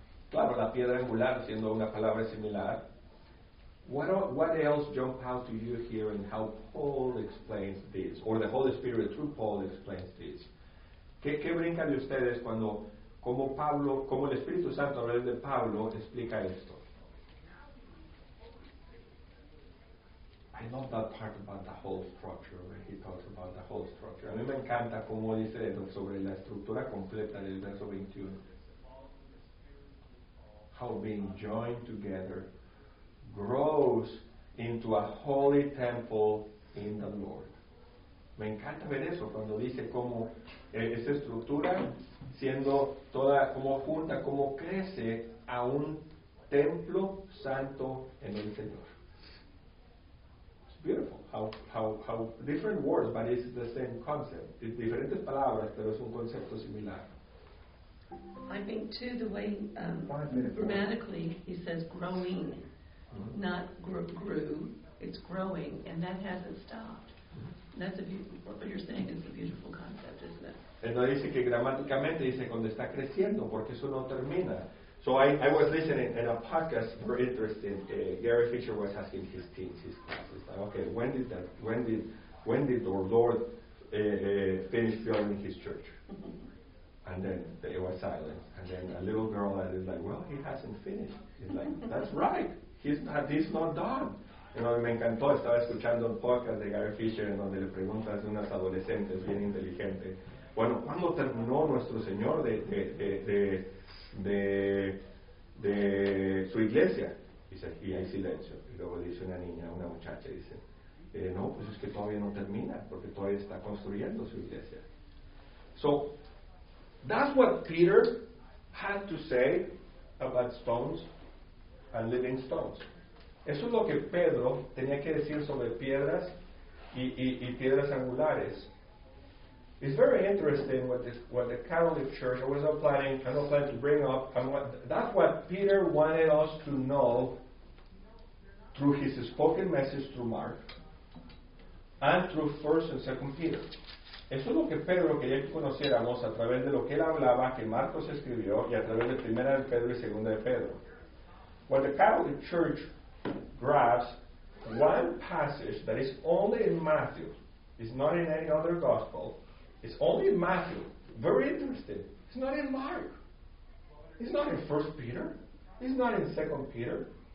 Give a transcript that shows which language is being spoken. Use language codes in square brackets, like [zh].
[es] Claro, la piedra angular siendo una palabra similar. [en] What else jump out to you here in how Paul explains this, or the Holy Spirit through Paul explains this? [es] ¿Qué brinca de ustedes cuando, como Pablo, como el Espíritu Santo a través de Pablo explica esto? [en] I love that part about the whole structure, where he talks about the whole structure. [es] A mí me encanta cómo dice esto sobre la estructura completa del verso 21. [en] How being joined together grows into a holy temple in the Lord. [es] Me encanta ver eso cuando dice cómo esa estructura siendo toda como junta, cómo crece a un templo santo en el Señor. [en] It's beautiful how different words, but it's the same concept. [es] Diferentes palabras, pero es un concepto similar. [en] I think too the way grammatically he says growing, mm-hmm. not grew, it's growing, and that hasn't stopped. Mm-hmm. That's a beautiful, what you're saying is a beautiful concept, isn't it? [es] Él no dice que gramáticamente dice cuando está creciendo, porque eso no termina. [en] So I was listening in a podcast, very interesting. Gary Fisher was asking his teens, his classes, like, okay, when did our Lord finish building his church? And then it was silent. And then a little girl that is like, well, he hasn't finished. He's like, that's right. He's not done. You know, [es] me encantó. Estaba escuchando un podcast de Gary Fisher en donde le preguntas a unas adolescentes bien inteligentes, bueno, ¿cuándo terminó nuestro Señor de su iglesia? Dice, y hay silencio. Y luego dice una niña, una muchacha, dice, no, pues es que todavía no termina, porque todavía está construyendo su iglesia. [en] So that's what Peter had to say about stones and living stones. [es] Eso es lo que Pedro tenía que decir sobre piedras y piedras angulares. [en] It's very interesting what the Catholic Church was planning, kind of planning to bring up, and what, that's what Peter wanted us to know through his spoken message through Mark and through 1st and 2nd Peter. [es] Eso es lo que Pedro quería que conociéramos a través de lo que él hablaba, que Marcos escribió, y a través de 1 Pedro y 2 Pedro. [en] What the Catholic Church grabs one passage that is only in Matthew, it's not in any other gospel, it's only in Matthew. Very interesting. It's not in Mark. It's not in 1 Peter. It's not in 2 Peter.